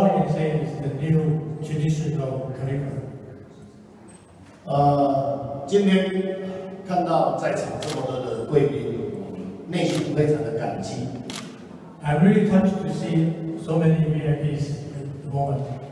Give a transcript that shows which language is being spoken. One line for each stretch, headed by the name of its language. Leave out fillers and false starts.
English: I can say is the new traditional calligraphy.
Chinese: 今天看到在场这么多的贵宾。
English: I'm really touched to see so many VIPs at the moment.